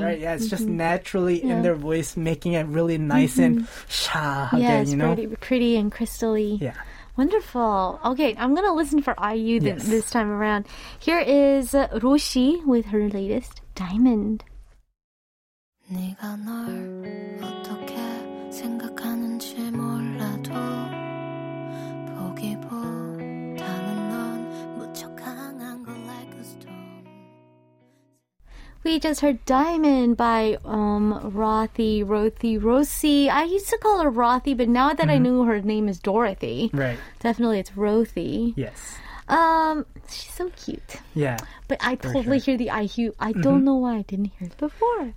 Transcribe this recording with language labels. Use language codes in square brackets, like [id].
[en] Right? Yeah, it's mm-hmm. just naturally yeah. in their voice, making it really nice mm-hmm. and sha again, yeah, you know? Yeah, it's pretty and crystally. Yeah. Wonderful. Okay, I'm going to listen for IU yes. this time around. Here is Roshi with her latest Diamond. [ko] 네가 널 어떻게 생각하는지 몰라도 보기보다는 넌 무척 강한 걸 [en] like a stone. We just heard Diamond by Rothy. I used to call her Rothy, but now that I knew her name is Dorothy. Right. Definitely it's Rothy. Yes. She's so cute. Yeah. But I totally hear the IQ. I don't know why I didn't hear it before.